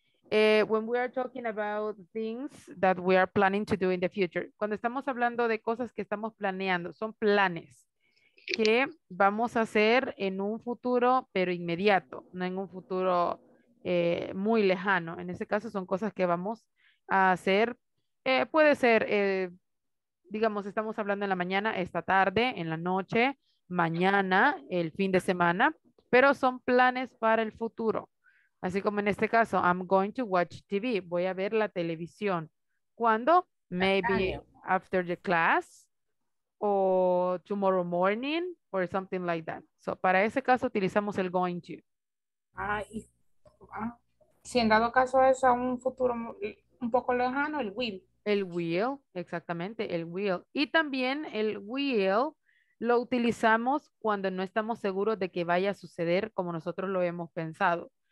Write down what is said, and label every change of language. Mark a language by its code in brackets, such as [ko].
[en] When we are talking about things that we are planning to do in the future. [es] Cuando estamos hablando de cosas que estamos planeando, son planes que vamos a hacer en un futuro, pero inmediato, no en un futuro muy lejano. En ese caso son cosas que vamos a hacer. Puede ser, digamos, estamos hablando en la mañana, esta tarde, en la noche, mañana, el fin de semana, pero son planes para el futuro. Así como en este caso, [en] I'm going to watch TV. [es] Voy a ver la televisión. ¿Cuándo? [en] Maybe after the class or tomorrow morning or something like that. [es] So, para ese caso utilizamos el going to. Ah, si en dado caso es a un futuro un poco lejano, el will. El will, exactamente, el will. Y también el will lo utilizamos cuando no estamos seguros de que vaya a suceder como nosotros lo hemos pensado.